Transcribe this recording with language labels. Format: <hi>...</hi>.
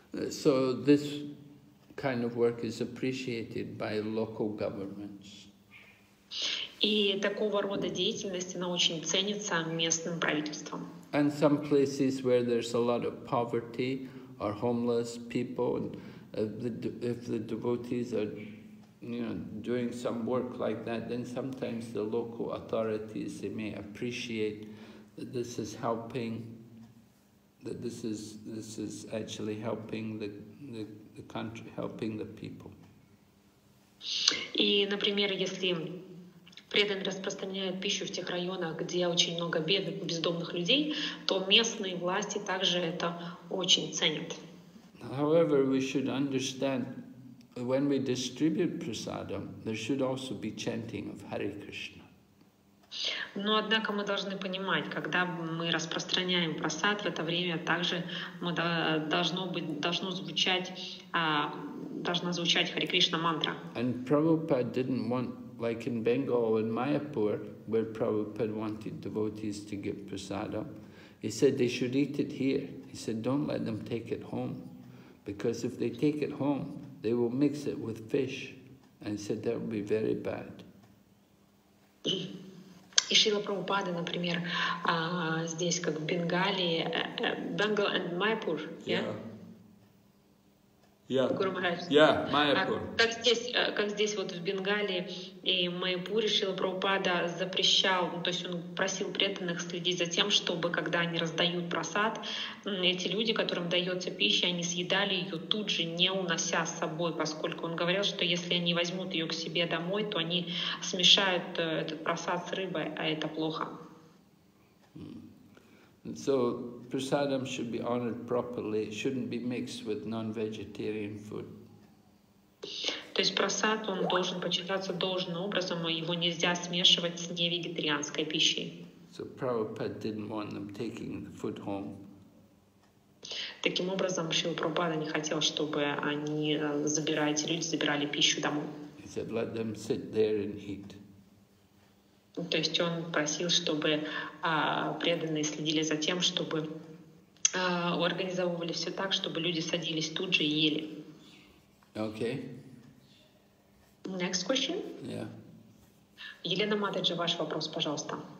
<en>So this kind of work is appreciated by local governments.</en> <ru>И такого рода деятельность, она очень ценится местным правительством.</ru> <en>And some places where there's a lot of poverty or homeless people, if the devotees are, you know, doing some work like that, then sometimes the local authorities, they may appreciate that this is helping, that this is actually helping the country, helping the people.</en> <ru>И, например, если преданный распространяет пищу в тех районах, где очень много бедных, бездомных людей, то местные власти также это очень ценят.</ru> <en>However, we should understand, when we distribute prasadam, there should also be chanting of Hare Krishna.</en> <ru>Но, однако, мы должны понимать, когда мы распространяем прасад, в это время также мы должна звучать Hare Krishna мантра.</ru> <en>And Prabhupada didn't want, like in Bengal and Mayapur, where Prabhupada wanted devotees to give prasadam, he said they should eat it here. He said, don't let them take it home. Because if they take it home, they will mix it with fish. And he said that would be very bad.</en> <ru>И Шрила Прабхупада, например, здесь, как в Бенгалии,</ru> <en>Bengal and Mayapur,</en> <ru>как здесь вот в Бенгалии и Майпуре Шрила Прабхупада запрещал, ну, то есть он просил преданных следить за тем, чтобы когда они раздают просад, эти люди, которым дается пища, они съедали ее тут же, не унося с собой, поскольку он говорил, что если они возьмут ее к себе домой, то они смешают этот просад с рыбой, а это плохо.</ru> <en>So prasadam should be honored properly. It shouldn't be mixed with non-vegetarian food.</en> <ru>То есть прасад, он должен почитаться должным образом, его нельзя смешивать с невегетарианской пищей.</ru> <en>So Prabhupada didn't want them taking the food home.</en> <ru>Таким образом, Шрила Прабхупада не хотел, чтобы они забирали, люди забирали пищу домой.</ru> <en>He said, let them sit there and eat.</en> <ru>То есть он просил, чтобы преданные следили за тем, чтобы организовывали все так, чтобы люди садились тут же и ели.</ru> <en>Okay. Next question. Yeah.</en> <ru>Елена Матаджи, ваш вопрос, пожалуйста.</ru>